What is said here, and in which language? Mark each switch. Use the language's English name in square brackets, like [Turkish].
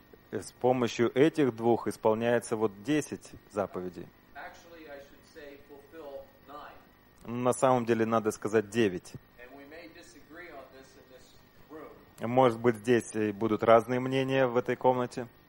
[Russian] С помощью этих двух исполняется вот 10 заповедей. [English] Actually, I should say, fulfill 9. [Russian] На самом деле, надо сказать 9. [English] And we may disagree on this in this room. [Russian] Может быть, здесь будут разные мнения в этой комнате.